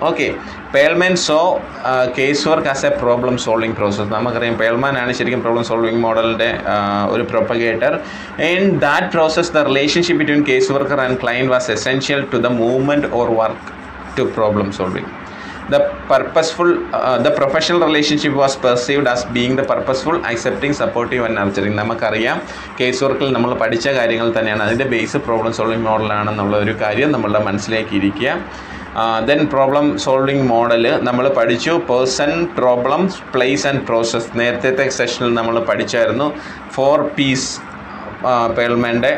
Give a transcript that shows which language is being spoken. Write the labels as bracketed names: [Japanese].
[English] Okay, Perlman saw case work as a problem solving process. [Malayalam] നമുക്കറിയാം പേൾമാനാണ് ശരിക്കും problem solving മോഡലിൻ്റെ ഒരു പ്രൊപ്പഗേറ്റർ. [English] In that process the relationship between case worker and client was essential to the movement or work to problem solving. The purposeful, the professional relationship was perceived as being the purposeful, accepting, supportive and nurturing. [Malayalam] നമുക്കറിയാം കേസ്വർക്കിൽ നമ്മൾ പഠിച്ച കാര്യങ്ങൾ തന്നെയാണ് അതിൻ്റെ base problem solving മോഡലാണെന്നുള്ള ഒരു കാര്യം നമ്മളുടെ മനസ്സിലേക്കിരിക്കുക. Then problem solving model നമ്മൾ പഠിച്ചു, person, problems, place and process. നേരത്തെ സെഷനിൽ നമ്മൾ പഠിച്ചായിരുന്നു ഫോർ പീസ് പേൾമാൻ്റെ.